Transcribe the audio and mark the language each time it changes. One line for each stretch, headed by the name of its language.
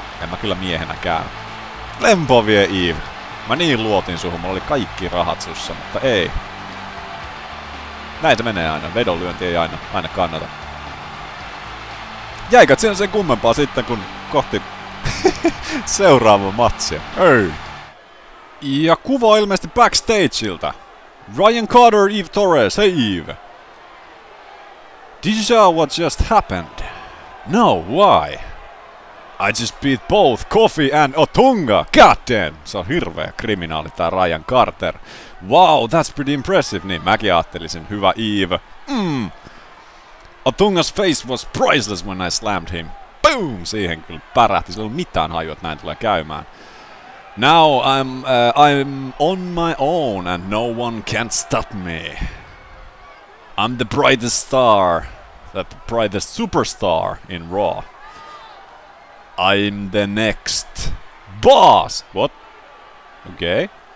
Finnish: En mä kyllä miehenäkään. Lempo vie Eve. Mä niin luotin suhun, mulla oli kaikki rahat sussa, mutta ei. Näin se menee aina. Vedonlyönti ei aina kannata. Jäikö siinä sen kummempaa sitten, kun kohti seuraava matsia. Ei. Ja kuva ilmeisesti backstageilta.
English: Ryan Carter, Eve Torres. Hey Eve. Did you see what just happened? No, why? I just beat both Coffee and Otunga. God damn!
Finnish: Se on hirveä kriminaali tää Ryan Carter.
English: Wow, that's pretty impressive.
Finnish: Niin, mäkin ajattelisin. Hyvä Eve.
English: Otunga's face was priceless when I slammed him.
Finnish: Boom! Siihen kyllä pärähti. Sillä ei ole mitään hajua, että näin tulee käymään.
English: Now I'm on my own and no one can stop me. I'm the brightest star. The brightest superstar in Raw. I'm the next boss. What? Okay.